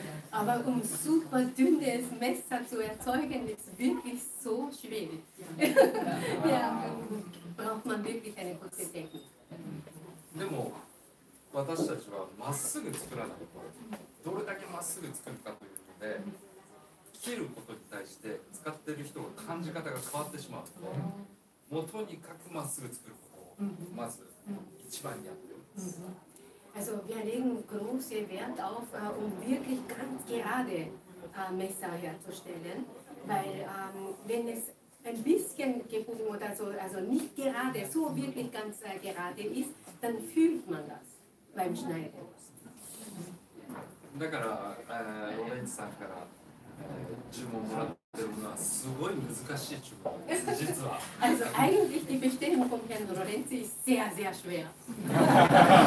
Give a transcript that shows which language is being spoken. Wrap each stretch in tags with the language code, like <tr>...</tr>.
<de>Aber um super dünnes Messer zu erzeugen, ist wirklich so schwierig. Ja, braucht man wirklich eine gute Technik.</de> <ja>でも私たちはまっすぐ作らないと、どれだけまっすぐ作るかというので、切ることに対して使っている人が感じ方が変わってしまうと、もうとにかくまっすぐ作ることをまず一番にやっています。Also</ja> <de>wir legen große Wert auf, um wirklich ganz gerade Messer herzustellen, weil wenn es ein bisschen gebogen oder so, also nicht gerade, so wirklich ganz gerade ist, dann fühlt man das beim Schneiden.</de> <ja>だから、ロレンツさんから注文もらってるのはすごい難しい注文です、実は。</ja> <de>Also eigentlich die Bestellung von Herrn Lorenzi ist sehr, sehr schwer.</de>